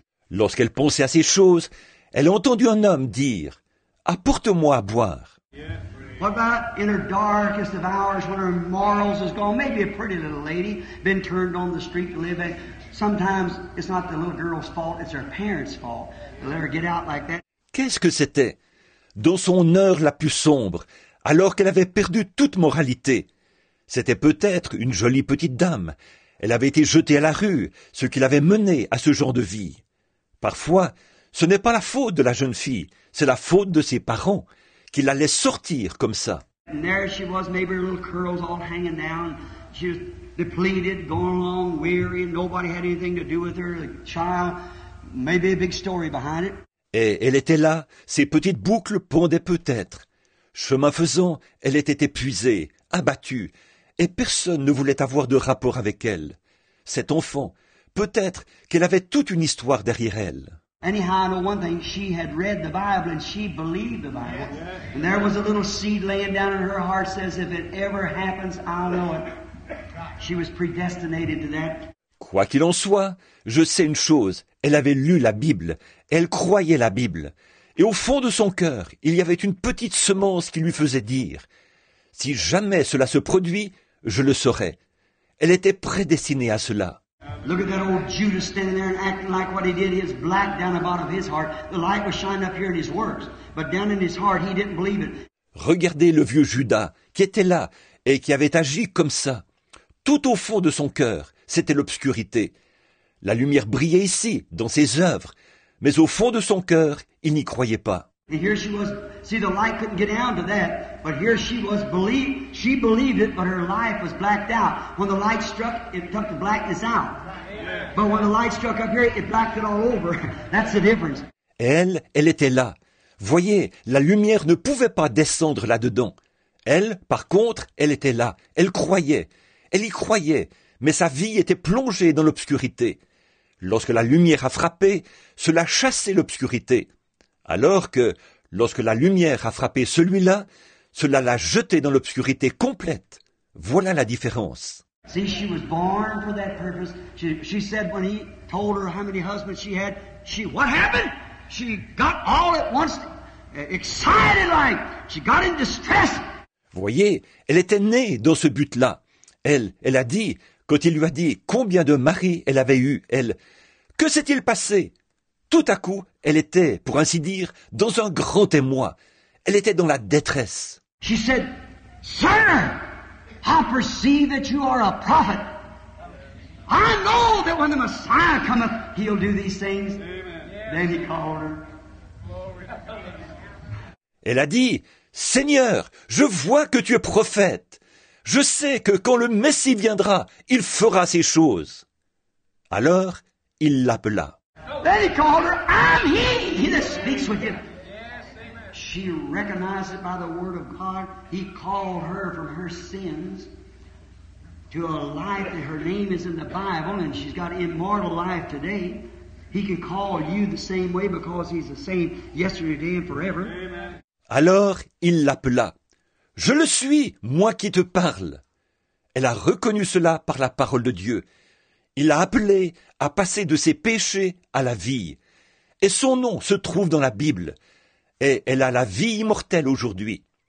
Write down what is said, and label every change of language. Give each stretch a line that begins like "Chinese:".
French: Lorsqu'elle pensait à ces choses, elle a entendu un homme dire, « Apporte-moi à boire. »
English: What about in her darkest of hours when her morals is gone? Maybe a pretty little lady been turned on the street to live in. Sometimes it's not the little girl's fault, it's her parents' fault. They let her get out like that.
French: Qu'est-ce que c'était? Dans son heure la plus sombre, alors qu'elle avait perdu toute moralité. C'était peut-être une jolie petite dame. Elle avait été jetée à la rue, ce qui l'avait menée à ce genre de vie. Parfois, ce n'est pas la faute de la jeune fille, c'est la faute de ses parents. Qu'il la laisse sortir comme ça.
English: And there she was, maybe her little curls all hanging down. She was depleted, going along, weary, and nobody had anything to do with her. The child, maybe a big story behind it.
French: Et elle était là, ses petites boucles pendaient peut-être. Chemin faisant, elle était épuisée, abattue, et personne ne voulait avoir de rapport avec elle. Cet enfant, peut-être qu'elle avait toute une histoire derrière elle.
English: Anyhow, I know one thing, she had read the Bible and she believed the Bible. And there was a little seed laying down in her heart, says, if it ever happens, I'll know it. She was predestinated to that.
French: Quoi qu'il en soit, je sais une chose, elle avait lu la Bible, elle croyait la Bible. Et au fond de son cœur, il y avait une petite semence qui lui faisait dire, si jamais cela se produit, je le saurai. Elle était prédestinée à cela.
English: Look at that old Judas standing there and acting like what he did. He's black down the bottom of his heart. The light was shining up here in his works, but down in his heart, he didn't believe it.
French: Regardez le vieux Judas qui était là et qui avait agi comme ça. Tout au fond de son cœur, c'était l'obscurité. La lumière brillait ici, dans ses œuvres, mais au fond de son cœur, il n'y croyait pas.
English: And here she was. See, the light couldn't get down to that. But here she was. Believe. She believed it, but her life was blacked out. When the light struck, it took the blackness out. Amen. But when the light struck up here, it blacked it all over. That's the difference.
French: Elle, elle était là. Voyez, la lumière ne pouvait pas descendre là-dedans. Elle, par contre, elle était là. Elle croyait. Elle y croyait. Mais sa vie était plongée dans l'obscurité. Lorsque la lumière a frappé, cela chassait l'obscurité. Alors que, lorsque la lumière a frappé celui-là, cela l'a jeté dans l'obscurité complète. Voilà la différence.
English: See, she was born for that purpose. She said when he told her how many husbands she had, she, what happened? She got all at once excited like. She got in distress.
French: Voyez, elle était née dans ce but-là. Elle a dit, quand il lui a dit combien de maris elle avait eu, elle, que s'est-il passé? Tout à coup, elle était, pour ainsi dire, dans un grand émoi. Elle était dans la détresse.
English: She said, "Sir, I perceive that you are a prophet. I know that when the Messiah cometh, he'll do these things." Amen. Then he called her.
French: Elle a dit, « Seigneur, je vois que tu es prophète. Je sais que quand le Messie viendra, il fera ces choses. » Alors, il l'appela.
English: Then he called her, "I'm he, he that speaks with you." She recognized it by the word of God. He called her from her sins to a life that her name is in the Bible, and she's got immortal life today. He can call you the same way because he's the same yesterday, today, and forever.
French: Alors, il l'appela. Je le suis, moi qui te parle. Elle a reconnu cela par la parole de Dieu. Il l'a appelée à passer de ses péchés à la vie. Et son nom se trouve dans la Bible. Et elle a la vie immortelle aujourd'hui.